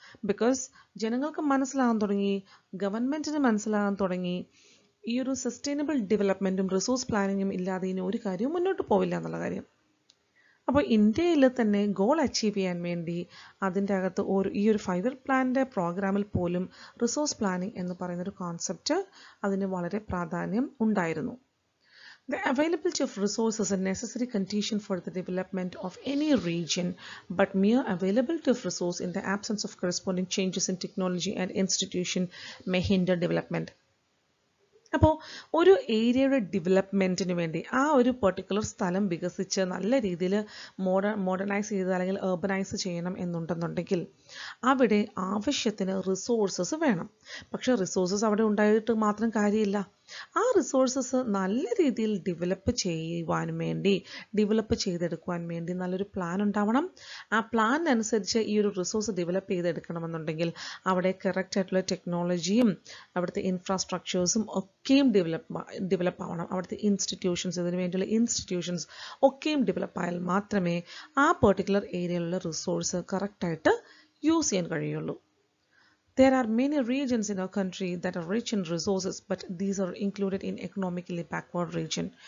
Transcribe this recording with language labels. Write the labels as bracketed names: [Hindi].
[Malayalam] Because ജനങ്ങൾക്ക് മനസ്സിലാകാൻ തുടങ്ങി, ഗവൺമെൻറ്റിന് മനസ്സിലാകാൻ തുടങ്ങി, ഈ ഒരു സസ്റ്റൈനബിൾ ഡെവലപ്മെൻറ്റും റിസോഴ്സ് പ്ലാനിങ്ങും ഇല്ലാതെ ഇനി ഒരു കാര്യവും മുന്നോട്ട് പോവില്ല എന്നുള്ള കാര്യം. അപ്പോൾ ഇന്ത്യയിൽ തന്നെ ഗോൾ അച്ചീവ് ചെയ്യാൻ വേണ്ടി അതിൻ്റെ അകത്ത് ഈ ഒരു ഫൈവ് ഇയർ പ്ലാനിൻ്റെ പ്രോഗ്രാമിൽ പോലും റിസോഴ്സ് പ്ലാനിങ് എന്ന് പറയുന്നൊരു കോൺസെപ്റ്റ് അതിന് വളരെ പ്രാധാന്യം ഉണ്ടായിരുന്നു. [English] The availability of resources is a necessary condition for the development of any region, but mere availability of resource in the absence of corresponding changes in technology and institution may hinder development. [Malayalam] അപ്പോൾ ഒരു ഏരിയയുടെ ഡെവലപ്മെൻറ്റിന് വേണ്ടി ആ ഒരു particular സ്ഥലം വികസിച്ച് നല്ല രീതിയിൽ മോഡേണൈസ് ചെയ്ത് അല്ലെങ്കിൽ ഏർബനൈസ് ചെയ്യണം എന്നുണ്ടെന്നുണ്ടെങ്കിൽ അവിടെ ആവശ്യത്തിന് റിസോഴ്സസ് വേണം. പക്ഷേ റിസോഴ്സസ് അവിടെ ഉണ്ടായിട്ട് മാത്രം കാര്യമില്ല. ആ റിസോഴ്സസ് നല്ല രീതിയിൽ ഡെവലപ്പ് ചെയ്യുവാൻ വേണ്ടി, ഡെവലപ്പ് ചെയ്തെടുക്കുവാൻ വേണ്ടി നല്ലൊരു പ്ലാൻ ഉണ്ടാവണം. ആ പ്ലാനിനനുസരിച്ച് ഈ ഒരു റിസോഴ്സ് ഡെവലപ്പ് ചെയ്തെടുക്കണമെന്നുണ്ടെങ്കിൽ അവിടെ കറക്റ്റ് ആയിട്ടുള്ള ടെക്നോളജിയും അവിടുത്തെ ഇൻഫ്രാസ്ട്രക്ചേഴ്സും ഒക്കെയും ഡെവലപ്പ് ആവണം. അവിടുത്തെ ഇൻസ്റ്റിറ്റ്യൂഷൻസ്, ഇതിനു വേണ്ടിയുള്ള ഇൻസ്റ്റിറ്റ്യൂഷൻസ് ഒക്കെയും ഡെവലപ്പ് ആയാൽ മാത്രമേ ആ പെർട്ടിക്കുലർ ഏരിയയിലുള്ള റിസോഴ്സ് കറക്റ്റായിട്ട് യൂസ് ചെയ്യാൻ കഴിയുള്ളൂ. [English] There are many regions in our country that are rich in resources, but these are included in economically backward region.